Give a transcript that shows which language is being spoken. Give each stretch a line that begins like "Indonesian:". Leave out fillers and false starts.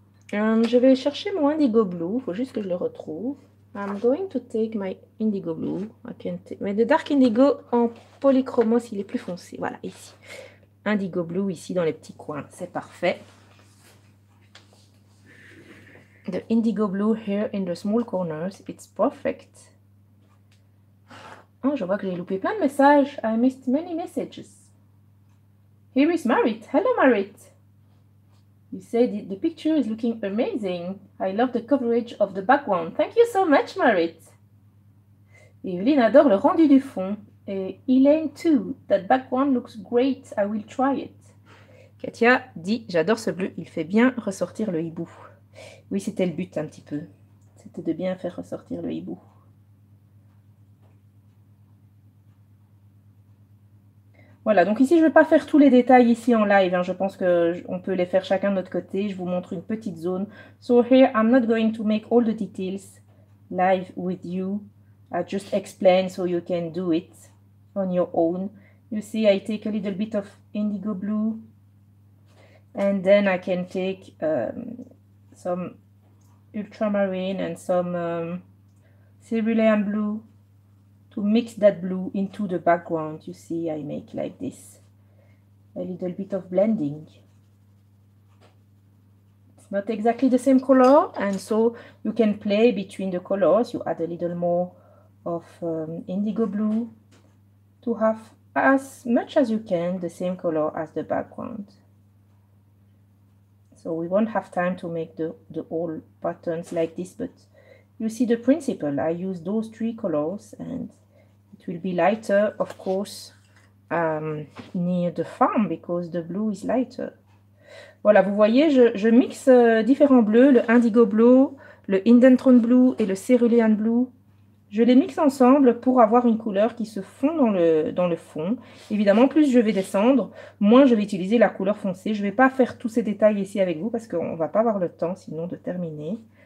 French: Je vais chercher mon Indigo Blue. Il faut juste que je le retrouve.
English: I'm going to take my Indigo Blue.
French: Mais le Dark Indigo en polychromos, il est plus foncé. Voilà, ici. Indigo Blue ici dans les petits coins, c'est parfait.
English: The Indigo Blue here in the small corners, it's perfect.
French: Oh, je vois que j'ai loupé plein de messages.
English: I missed many messages. Here is Marit. Hello Marit. You said the picture is looking amazing. I love the coverage of the background. Thank you so much, Marit.
French: Evelyne adore le rendu du fond.
English: Et Elaine, too. That background looks great. I will try it.
French: Katia dit, j'adore ce bleu. Il fait bien ressortir le hibou. Oui, c'était le but un petit peu. C'était de bien faire ressortir le hibou. Voilà, donc ici, je ne vais pas faire tous les détails ici en live. Hein. Je pense qu'on peut les faire chacun de notre côté. Je vous montre une petite zone.
English: So here, I'm not going to make all the details live with you. I just explain so you can do it on your own. You see, I take a little bit of indigo blue and then I can take some ultramarine and some cerulean blue to mix that blue into the background. You see, I make like this a little bit of blending. It's not exactly the same color, and so you can play between the colors. You add a little more of indigo blue to have as much as you can the same color as the background. So we won't have time to make the whole patterns like this, but you see the principle. I use those three colors and it will be lighter, of course, near the farm because the blue is lighter.
French: Voilà, vous voyez, je mixe différents bleus, le indigo bleu, le Indentron bleu et le cerulean bleu. Je les mixe ensemble pour avoir une couleur qui se fond dans le fond. Évidemment, plus je vais descendre, moins je vais utiliser la couleur foncée. Je ne vais pas faire tous ces détails ici avec vous parce qu'on ne va pas avoir le temps sinon de terminer.